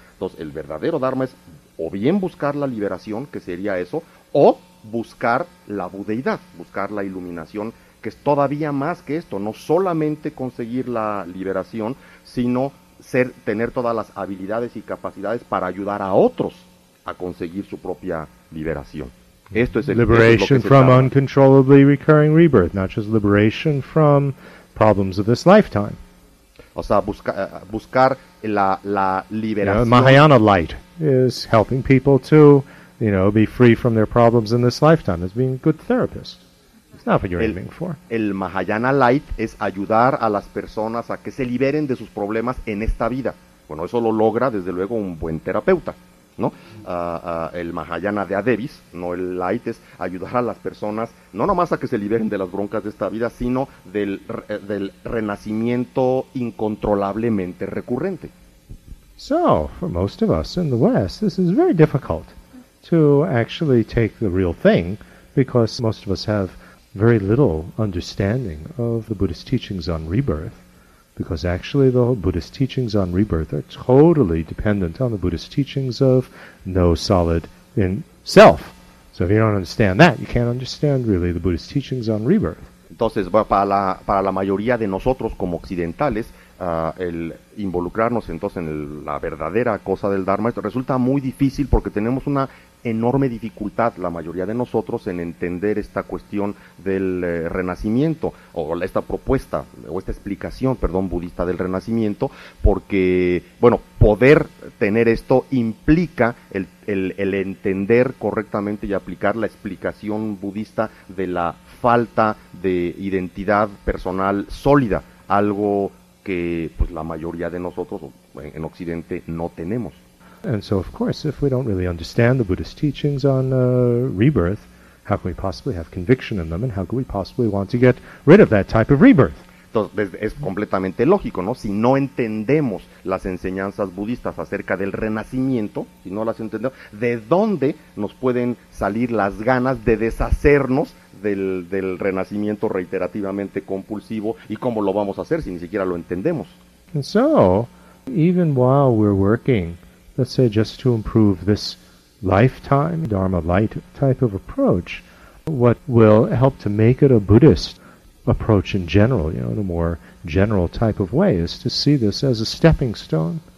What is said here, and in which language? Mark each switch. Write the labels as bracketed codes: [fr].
[es] Entonces, el verdadero Dharma es o bien buscar la liberación, que sería eso, o buscar la budeidad, buscar la iluminación, que es todavía más que esto, no solamente conseguir la liberación, sino tener todas las habilidades y capacidades para ayudar a otros a conseguir su propia liberación. Esto es el [en] liberation from uncontrollably recurring rebirth, not just liberation from problems of this lifetime. [es] O sea, buscar la liberación. [en] Mahayana light is helping people to, be free from their problems in this lifetime. It's being a good therapist. Not what you're aiming for. [es] El Mahayana light es ayudar a las personas a que se liberen de sus problemas en esta vida. Bueno, eso lo logra desde luego un buen terapeuta, ¿no? El Mahayana de Adebis, no el light, es ayudar a las personas no nomás a que se liberen de las broncas de esta vida, sino del renacimiento incontrolablemente recurrente. [en] So, for most of us in the West, this is very difficult to actually take the real thing, because most of us have very little understanding of the Buddhist teachings on rebirth, because actually the Buddhist teachings on rebirth are totally dependent on the Buddhist teachings of no solid in self. So if you don't understand that, you can't understand really the Buddhist teachings on rebirth. [es] Entonces, para la mayoría de nosotros como occidentales, el involucrarnos entonces en la verdadera cosa del Dharma resulta muy difícil, porque tenemos una enorme dificultad la mayoría de nosotros en entender esta cuestión del renacimiento, o esta propuesta, o esta explicación, perdón, budista del renacimiento, porque, bueno, poder tener esto implica el entender correctamente y aplicar la explicación budista de la falta de identidad personal sólida, algo que pues la mayoría de nosotros en Occidente no tenemos. [en] And so, of course, if we don't really understand the Buddhist teachings on rebirth, how can we possibly have conviction in them, and how can we possibly want to get rid of that type of rebirth? [es] Entonces, es completamente lógico, ¿no? Si no entendemos las enseñanzas budistas acerca del renacimiento, si no las entendemos, ¿de dónde nos pueden salir las ganas de deshacernos del renacimiento reiterativamente compulsivo, y cómo lo vamos a hacer si ni siquiera lo entendemos? [en] And so, even while we're working, let's say just to improve this lifetime Dharma light type of approach, what will help to make it a Buddhist approach in general, in a more general type of way, is to see this as a stepping stone.